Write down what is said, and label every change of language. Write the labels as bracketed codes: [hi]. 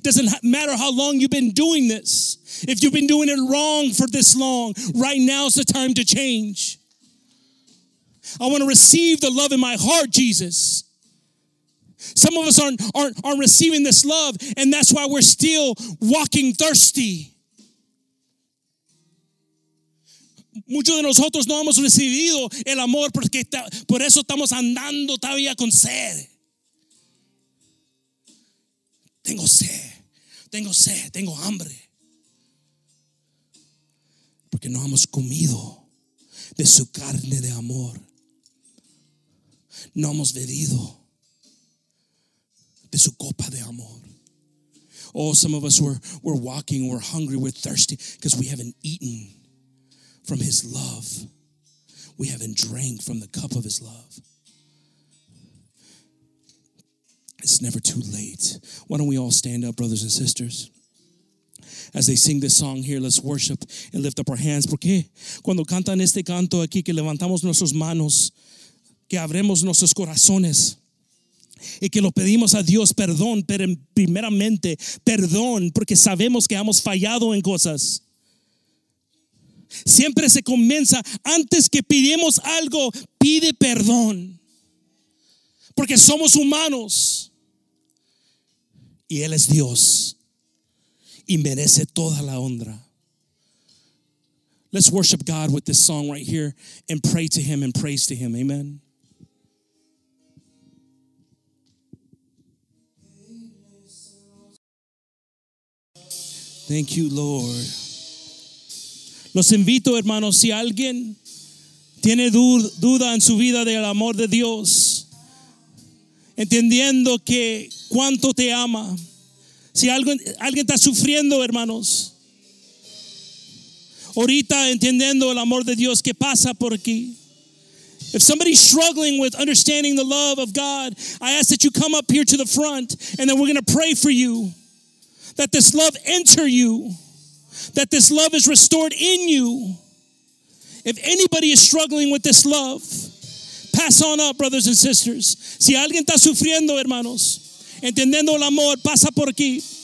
[en] Doesn't matter how long you've been doing this. If you've been doing it wrong for this long, right now's the time to change. I want to receive the love in my heart, Jesus. Some of us aren't receiving this love, and that's why we're still walking thirsty. [es] Muchos de nosotros no hemos recibido el amor porque por eso estamos andando todavía con sed. Tengo sed, tengo sed, tengo hambre. Porque no hemos comido de su carne de amor. No hemos bebido de su copa de amor. [en] Oh, some of us we're walking, we're hungry, we're thirsty because we haven't eaten from his love. We haven't drank from the cup of his love. It's never too late. Why don't we all stand up, brothers and sisters? As they sing this song here, let's worship and lift up our hands. [es] Porque cuando cantan este canto aquí, que levantamos nuestras manos, que abremos nuestros corazones, y que lo pedimos a Dios perdón, pero primeramente perdón, porque sabemos que hemos fallado en cosas. Siempre se comienza, antes que pidamos algo, pide perdón. Porque somos humanos. Y Él es Dios. Y merece toda la honra. [en] Let's worship God with this song right here and pray to him and praise to him. Amen. Thank you, Lord. [es] Los invito, hermanos, si alguien tiene duda en su vida del amor de Dios, entendiendo que cuánto te ama. Si alguien está sufriendo, hermanos, ahorita entendiendo el amor de Dios, ¿qué pasa por aquí? [en] If somebody's struggling with understanding the love of God, I ask that you come up here to the front and then we're going to pray for you. That this love enter you. That this love is restored in you. If anybody is struggling with this love, pass on up, brothers and sisters. [es] Si alguien está sufriendo, hermanos, entendiendo el amor, pasa por aquí.